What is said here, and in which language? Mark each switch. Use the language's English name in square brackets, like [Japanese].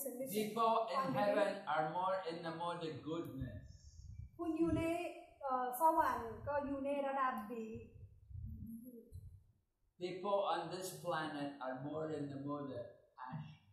[English] People in heaven are more in the mode of goodness. [Thai] คุณอยู่ในสวรรค์ก็อยู่ในระดับดี [English] People on this planet are more in the mode of ash.